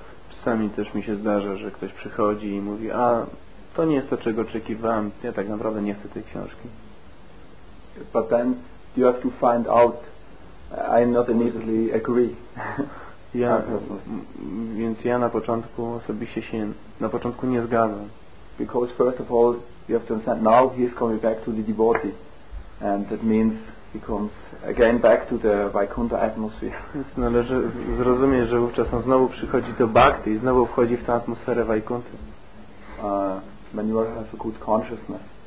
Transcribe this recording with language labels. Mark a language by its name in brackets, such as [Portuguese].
[Polish] Czasami też mi się zdarza, że ktoś przychodzi i mówi, a to nie jest to, czego oczekiwałem, ja tak naprawdę nie chcę tej książki. [English] But then you have to find out I not immediately agree. [Polish] Ja, więc ja na początku osobiście się na początku nie zgadzam. [English] Because first of all, you have to understand now he is coming back to the devotee, and that means he comes again back to the Vaikuntha atmosphere. [Polish] Należy zrozumieć, że wówczas on znowu przychodzi do Bhakti i znowu wchodzi w tę atmosferę Vaikunthy. [English] When you have a good consciousness,